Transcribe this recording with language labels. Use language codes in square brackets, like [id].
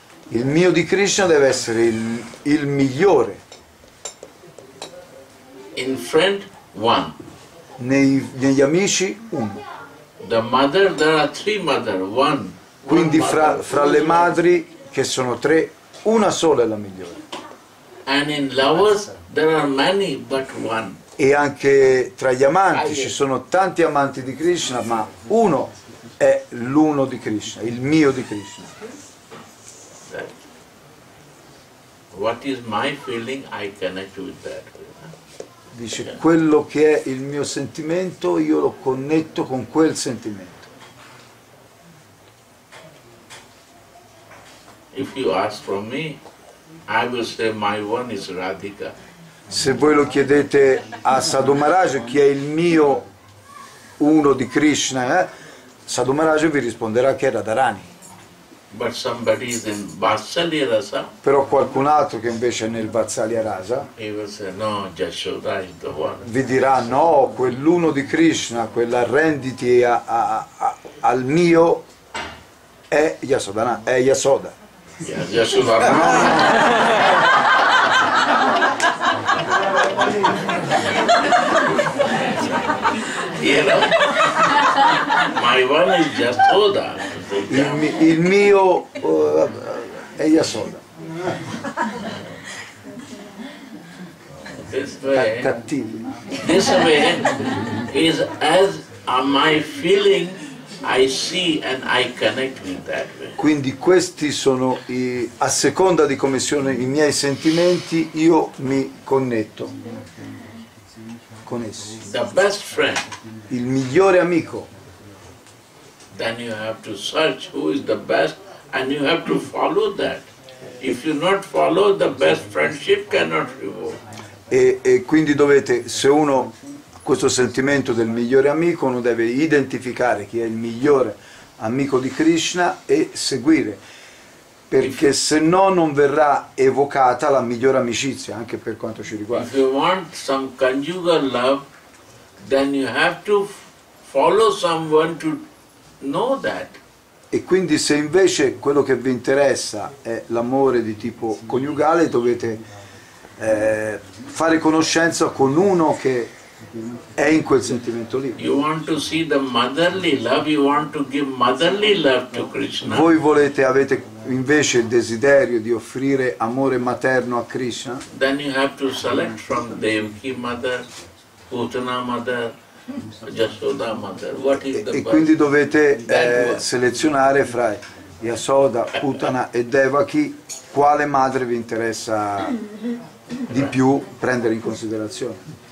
[it] Il mio di Krishna deve essere il migliore. [en] In friend one. [it] Negli amici uno. [en] The mother, there are three mother, one. [it] Quindi fra le madri che sono tre, una sola è la migliore. [en] And in lovers there are many but one. [it] E anche tra gli amanti ci sono tanti amanti di Krishna, ma uno è l'uno di Krishna, il mio di Krishna. [en] What is my feeling I connect with that? [it] Dice quello che è il mio sentimento, io lo connetto con quel sentimento. [en] If you ask from me, I will say my one is Radhika. [it] Se voi lo chiedete a Sadhu Maharaj chi è il mio uno di Krishna, Sadhu Maharaj vi risponderà che è Radharani. [en] But somebody is in Vatsalya Rasa. [it] Però qualcun altro che invece è nel Vatsalya Rasa. [en] He will say, no, Yashoda is the one. [it] Vi dirà no, quell'uno di Krishna, quell'arrenditi al mio è Yasoda, no, è Yasoda. Yasoda, no. Il mio è Yasoda. Cattivo. [en] This way is as my feeling I see and I connect with that way. [it] Quindi questi sono a seconda di come sono i miei sentimenti, io mi connetto con essi. [en] The best friend. [it] Il migliore amico. [en] Then you have to search who is the best and you have to follow that. If you not follow, the best friendship cannot reward. [it] E quindi dovete, se uno questo sentimento del migliore amico, uno deve identificare chi è il migliore amico di Krishna e seguire, perché se no non verrà evocata la migliore amicizia, anche per quanto ci riguarda. [en] If you want some conjugal love, then you have to follow someone to know that. [it] E quindi se invece quello che vi interessa è l'amore di tipo coniugale, dovete fare conoscenza con uno che è in quel sentimento lì. [en] You want to see the motherly love, you want to give motherly love to Krishna. [it] Voi volete, avete invece il desiderio di offrire amore materno a Krishna? [en] Then you have to select from Devaki mother, Putana mother, Yasoda mother. What is the [it] e quindi dovete selezionare fra Yasoda, Putana e Devaki quale madre vi interessa di più prendere in considerazione.